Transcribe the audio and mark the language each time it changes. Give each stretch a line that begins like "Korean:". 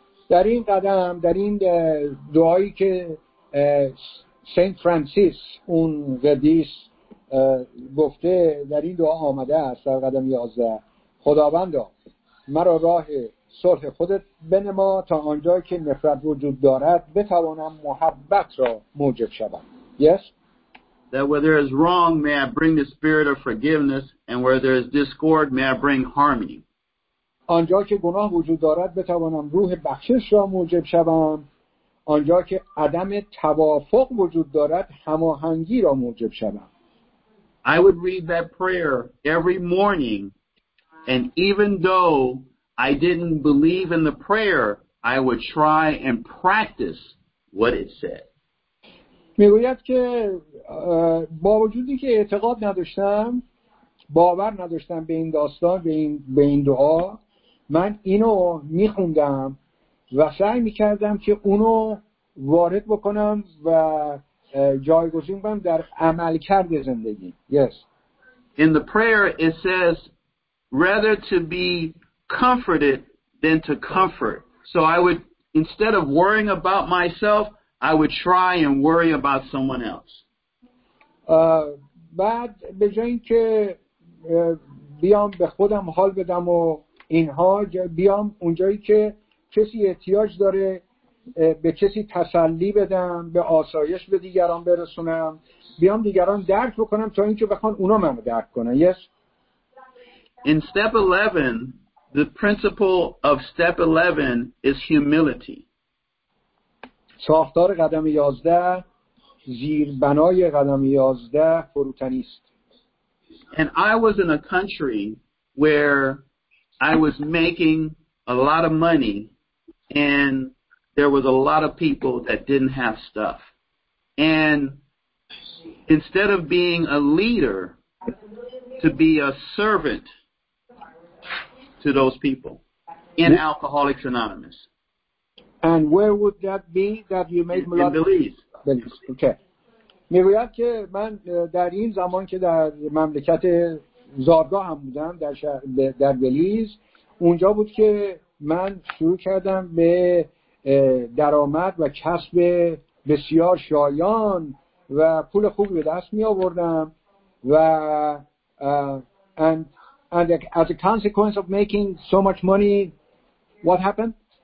Persian: در این قدم، در این دعایی که سنت فرانسیس اون قدیس گفته، در این دعا آمده است در قدم 11، خداوند مرا راه صلح خودت بنما تا آنجا که نفرت وجود دارد بتوانم محبت را موجب شوم.
English: Yes? That where there is wrong, may I bring the spirit of forgiveness, and where there is discord, may I bring harmony.
Persian: آنجا که گناه وجود دارد بتوانم روح بخشش را موجب شوم، آنجا که عدم توافق وجود دارد هماهنگی را موجب شوم.
English: I would read that prayer every morning, and even though I didn't believe in the prayer, I would try and practice what it said.
Persian: میگوید که با وجودی که اعتقاد نداشتم، باور نداشتم به این داستان، به این دعا، من اینو میخوندم و سعی میکردم که اونو وارد بکنم و جایگزین کنم در عمل کرد زندگی.
English: Yes. In the prayer it says rather to be comforted than to comfort. So I would, instead of worrying about myself, I would try and worry about someone else.
Persian: بعد به جای این که بیام به خودم حال بدم و اینها، بیام اونجایی که کسی احتیاج داره به کسی تسلی بدم، به آسایش به دیگران برسونم، بیام دیگران درک بکنم تا اینکه بخوان اونا منو درک کنن.
English: Yes. In step 11, the principle of step 11 is humility.
Persian: ساختار قدم 11، زیربنای قدم 11 فروتنی است.
English: And I was in a country where I was making a lot of money and there was a lot of people that didn't have stuff. And instead of being a leader, to be a servant to those people in Alcoholics Anonymous. And where would that be that you made in Belize. Belize. Okay.
Persian: میگوید که من در این زمان که در مملکت زارگاه هم بودم، در بلیز، اونجا بود که من شروع کردم به درآمد و کسب بسیار شایان و پول خوبی به دست می آوردم و
English: and as a consequence of making so much money, what happened?